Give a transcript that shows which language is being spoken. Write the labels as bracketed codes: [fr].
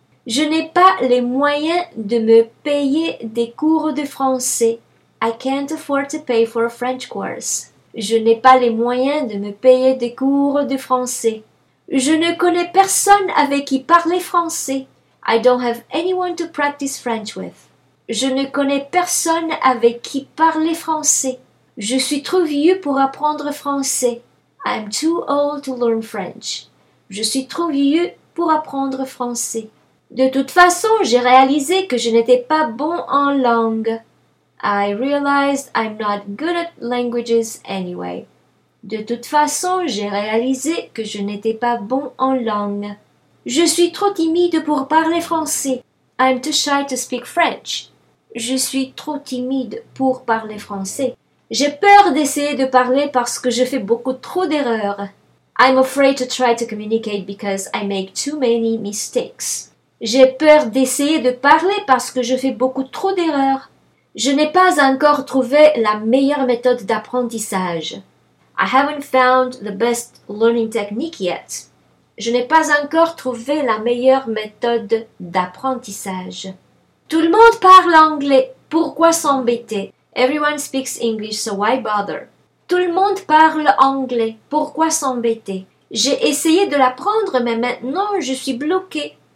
[fr] Je n'ai pas les moyens de me payer des cours de français. [en] I can't afford to pay for a French course. [fr] Je n'ai pas les moyens de me payer des cours de français. [en] Je ne connais personne avec qui parler français. I don't have anyone to practice French with. Je ne connais personne avec qui parler français. [fr] Je suis trop vieux pour apprendre français. [en] I'm too old to learn French. [fr] Je suis trop vieux pour apprendre français. De toute façon, j'ai réalisé que je n'étais pas bon en langue. [en] I realized I'm not good at languages anyway. [fr] De toute façon, j'ai réalisé que je n'étais pas bon en langue. Je suis trop timide pour parler français. [en] I'm too shy to speak French. [fr] Je suis trop timide pour parler français. J'ai peur d'essayer de parler parce que je fais beaucoup trop d'erreurs. [en] I'm afraid to try to communicate because I make too many mistakes. [fr] J'ai peur d'essayer de parler parce que je fais beaucoup trop d'erreurs. Je n'ai pas encore trouvé la meilleure méthode d'apprentissage. [en] I haven't found the best learning technique yet. [fr] Je n'ai pas encore trouvé la meilleure méthode d'apprentissage. Tout le monde parle anglais. Pourquoi s'embêter? [en] Everyone speaks English, so why bother? [fr] Tout le monde parle anglais. Pourquoi s'embêter? J'ai essayé de l'apprendre, mais maintenant je suis bloquée.